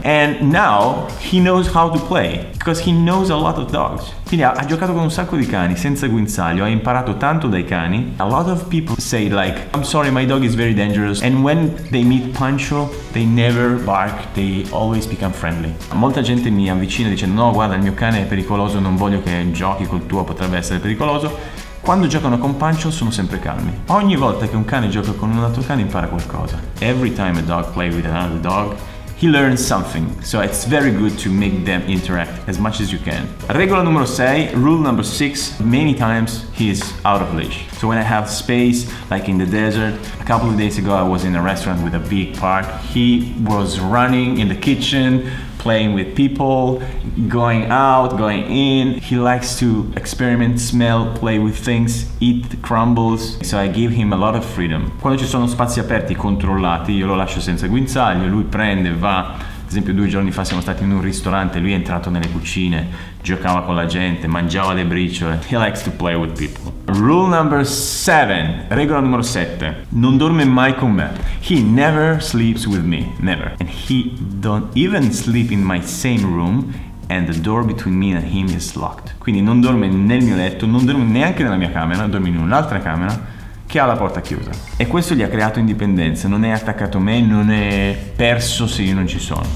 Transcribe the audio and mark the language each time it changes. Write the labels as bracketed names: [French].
[English] And now he knows how to play because he knows a lot of dogs. [Italian] Quindi ha giocato con un sacco di cani senza guinzaglio, ha imparato tanto dai cani. [English] A lot of people say like, I'm sorry, my dog is very dangerous, and when they meet Pancho they never bark, they always become friendly. [Italian] Molta gente mi avvicina dicendo, no guarda, il mio cane è pericoloso, non voglio che giochi col tuo, potrebbe essere pericoloso. Quando giocano con Pancho sono sempre calmi. Ogni volta che un cane gioca con un altro cane impara qualcosa. [English] Every time a dog plays with another dog, he learns something. So it's very good to make them interact as much as you can. [Italian] Regola numero 6, [English] rule number 6, many times he is out of leash. So when I have space, like in the desert, a couple of days ago I was in a restaurant with a big park. He was running in the kitchen, playing with people, going out, going in. He likes to experiment, smell, play with things, eat crumbles. So I give him a lot of freedom. [Italian] Quando ci sono spazi aperti, controllati, io lo lascio senza guinzaglio, lui prende, va. Ad esempio, 2 giorni fa siamo stati in un ristorante, lui è entrato nelle cucine, giocava con la gente, mangiava le briciole. [English] He likes to play with people. Rule number 7. [Italian] Regola numero 7. Non dorme mai con me. [English] He never sleeps with me. Never. And he don't even sleep in my same room and the door between me and him is locked. [Italian] Quindi non dorme nel mio letto, non dorme neanche nella mia camera, dorme in un'altra camera che ha la porta chiusa. E questo gli ha creato indipendenza. Non è attaccato a me, non è perso se io non ci sono.